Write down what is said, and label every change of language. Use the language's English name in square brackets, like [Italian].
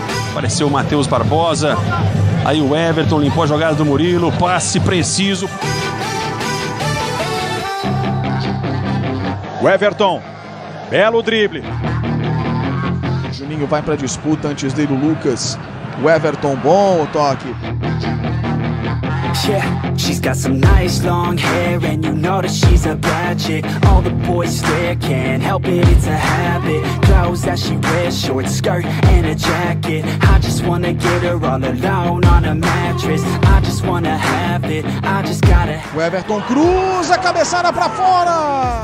[Portuguese] Apareceu o Matheus Barbosa. Aí o Everton limpou a jogada do Murilo. Passe preciso. O Everton. Belo drible. O Juninho vai pra disputa antes dele o Lucas. O Everton, bom o toque. [English] Yeah, she's got some nice long hair and you know that she's a bad chick. All the boys there can't help it, it's a habit. Clothes that she wears, short skirt and a jacket. I just wanna get her all alone on a mattress. I just wanna have it, I just gotta. [Portuguese] O Everton cruza, cabeçada pra fora.